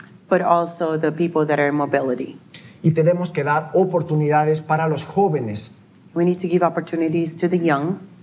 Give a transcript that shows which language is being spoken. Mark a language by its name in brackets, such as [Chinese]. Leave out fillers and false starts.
[English] But also the people that are in mobility. [Spanish] Y tenemos que dar oportunidades para los jóvenes. [English] We need to give opportunities to the young.